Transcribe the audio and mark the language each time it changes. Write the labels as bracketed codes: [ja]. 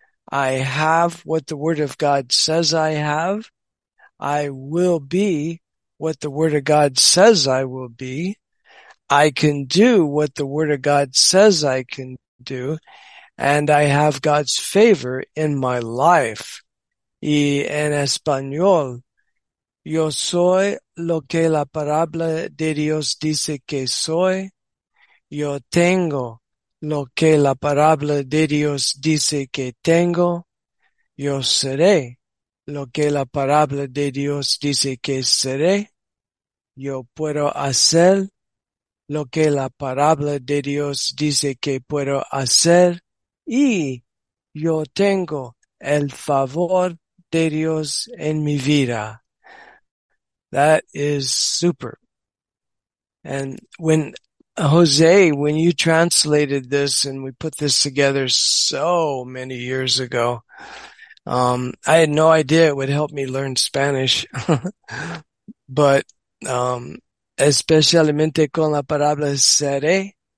[en] I have what the Word of God says I have. I will be what the Word of God says I will be. I can do what the Word of God says I can do, and I have God's favor in my life. [es] Y en español, yo soy lo que la palabra de Dios dice que soy. Yo tengo lo que la palabra de Dios dice que tengo. Yo seré lo que la palabra de Dios dice que seré. Yo puedo hacer lo que la palabra de Dios dice que puedo hacer y yo tengo el favor de Dios en mi vida. [en] That is super. And when Jose, when you translated this and we put this together so many years ago, I had no idea it would help me learn Spanish. [es] But, especialmente con la palabra seré.